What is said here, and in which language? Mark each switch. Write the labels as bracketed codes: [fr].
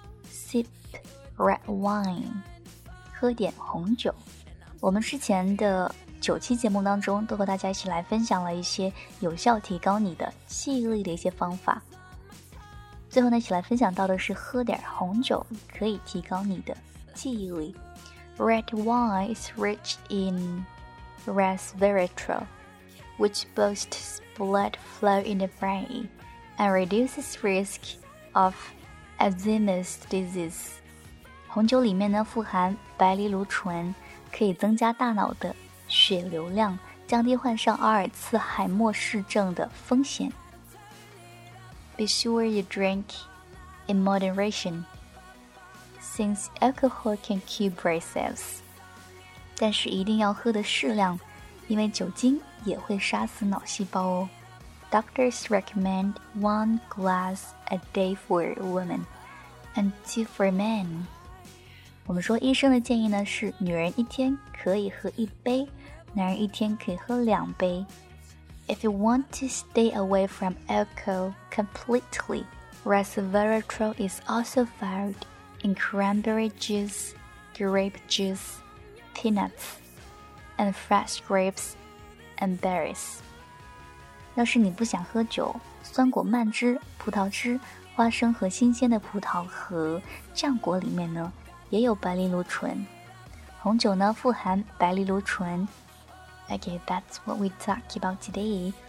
[en] Sip red wine， [zh] 喝点红酒。我们之前的九期节目当中都和大家一起来分享了一些有效提高你的记忆力的一些方法，最后呢一起来分享到的是喝点红酒可以提高你的记忆力。 [en] Red wine is rich in resveratrol, which boosts blood flow in the brain and reduces risk of Alzheimer's disease. [zh] 红酒里面呢富含白藜芦醇，可以增加大脑的血流量，降低患上阿尔茨海默氏症的风险。 [en] Be sure you drink in moderation, since alcohol can kill brain cells. [zh] 但是一定要喝的适量，因为酒精也会杀死脑细胞哦。 [en] Doctors recommend one glass a day for women and two for men. [zh] 我们说医生的建议呢，是女人一天可以喝一杯，男人一天可以喝两杯。 [en] If you want to stay away from alcohol completely, resveratrol is also found in cranberry juice, grape juice, peanuts, and fresh grapes and berries. [zh] 要是你不想喝酒，酸果蔓汁、葡萄汁、花生和新鲜的葡萄和酱果里面呢，也有白藜芦醇。红酒呢，富含白藜芦醇。 [en] Okay, that's what we talk about today.